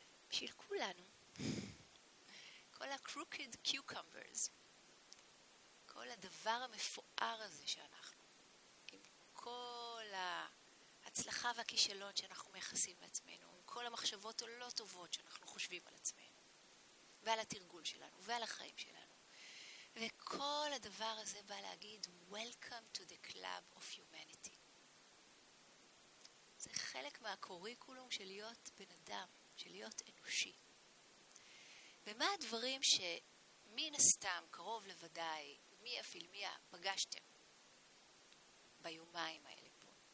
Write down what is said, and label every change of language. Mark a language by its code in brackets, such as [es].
[he] בשביל כולנו, כל ה- [en] crooked cucumbers, [he] כל הדבר המפואר הזה שאנחנו, עם כל ההצלחה והכישלון שאנחנו מייחסים לעצמנו, עם כל המחשבות הלא טובות שאנחנו חושבים על עצמנו, ועל התרגול שלנו, ועל החיים שלנו. וכל הדבר הזה בא להגיד, [en] Welcome to the club of humanity. [he] זה חלק מהקוריקולום של להיות בן אדם, של להיות אנושי. ומה הדברים שמן הסתם, קרוב לוודאי, מי אפיל מי פגשתם ביומיים האלה פה?